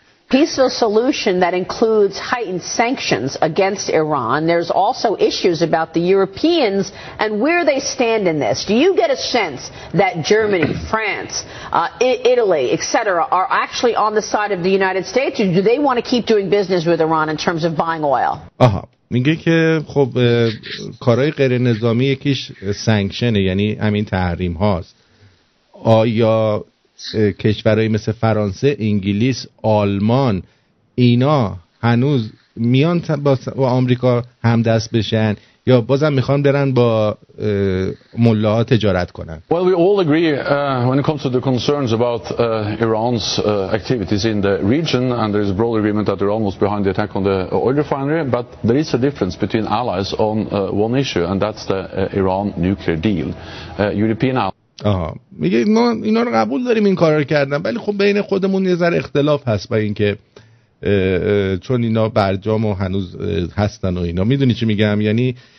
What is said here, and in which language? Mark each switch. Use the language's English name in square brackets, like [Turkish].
[English] peaceful solution that includes heightened sanctions against Iran. There's also issues about the Europeans and where they stand in this. Do you get a sense that Germany, France, Italy, etc., are actually on the side of the United States, or do they want to keep doing business with Iran in terms of buying oil? Aha. [Persian] میگه که خب کارهای غیر نظامی یکیش سانکشنه، یعنی همین تحریم هاست. آیا کشورهایی مثل فرانسه، انگلیس، آلمان اینا هنوز میان با آمریکا همدست بشن یا بازم میخوان برن با ملاها تجارت کنن؟ [English] Well, we all agree when it comes to the concerns about Iran's activities in the region, and there is a broad agreement that Iran was behind the attack on the oil refinery, but there is a difference between allies on one issue, and that's the Iran nuclear deal. European allies. [Persian] آها، میگه ما اینا رو قبول داریم این کار رو کردن، ولی خب بین خودمون یه ذره اختلاف هست با اینکه چون اینا برجام و هنوز هستن و اینا، میدونی چی میگم؟ یعنی